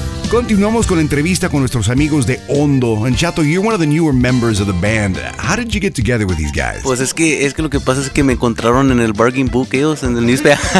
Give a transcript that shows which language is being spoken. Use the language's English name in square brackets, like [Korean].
[Spanish] Continuamos con la entrevista con nuestros amigos de Hondo. [English] And Chato, you're one of the newer members of the band. How did you get together with these guys? [Spanish] Pues es que lo que pasa es que me encontraron en el [English] bargain book [Spanish] ellos en el newspaper.